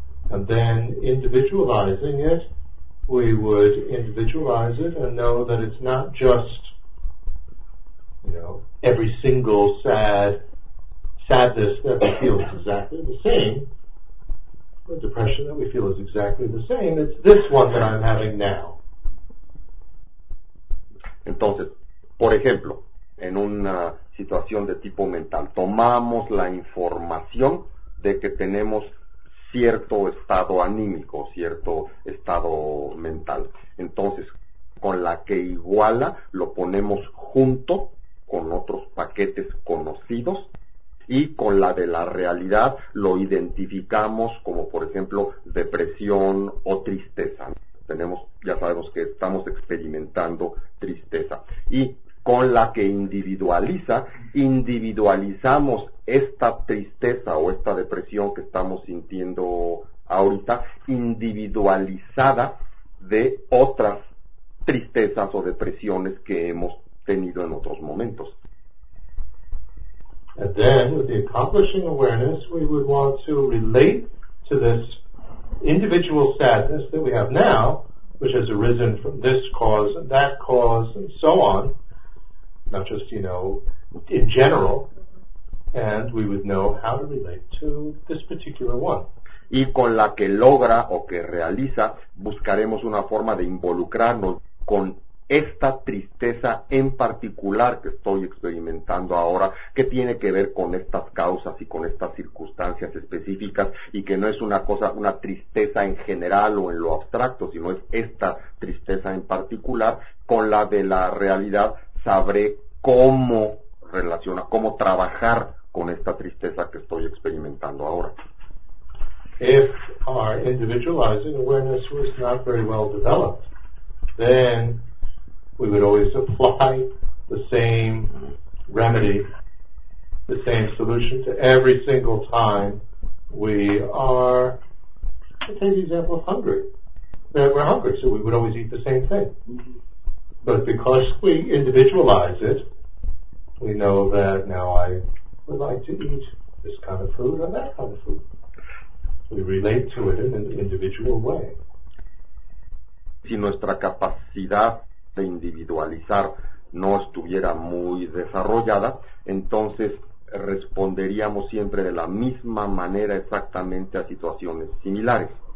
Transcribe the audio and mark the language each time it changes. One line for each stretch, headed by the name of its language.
English: And then individualizing it, we would individualize it and know that it's not just, you know, every single sadness that we feel is exactly the same. The depression that we feel is exactly the same. It's this one that I'm having now.
Spanish: Entonces, por ejemplo, en una situación de tipo mental, tomamos la información de que tenemos cierto estado anímico, cierto estado mental. Entonces, con la que iguala, lo ponemos junto con otros paquetes conocidos, y con la de la realidad lo identificamos como, por ejemplo, depresión o tristeza. Tenemos, ya sabemos que estamos experimentando tristeza. Y con la que individualiza, individualizamos esta tristeza o esta depresión que estamos sintiendo ahorita, individualizada de otras tristezas o depresiones que hemos tenido en otros momentos.
English: And then, with the accomplishing awareness, we would want to relate to this individual sadness that we have now, which has arisen from this cause and that cause and so on, not just, you know, in general, and we would know how to relate to this particular one.
Spanish: Y con la que logra o que realiza, buscaremos una forma de involucrarnos con esta tristeza en particular que estoy experimentando ahora, que tiene que ver con estas causas y con estas circunstancias específicas, y que no es una cosa, una tristeza en general o en lo abstracto, sino es esta tristeza en particular. Con la de la realidad sabré cómo relacionar, cómo trabajar con esta tristeza que estoy experimentando ahora.
English: If our individualizing awareness was not very well developed, then we would always apply the same remedy, the same solution to every single time we are, let's take the example of hungry, that we're hungry, so we would always eat the same thing. But because we individualize it, we know that now I would like to eat this kind of food or that kind of food. We relate to it in an individual way.
Spanish: Si nuestra capacidad de individualizar no estuviera muy desarrollada, entonces responderíamos siempre de la misma manera exactamente a situaciones similares.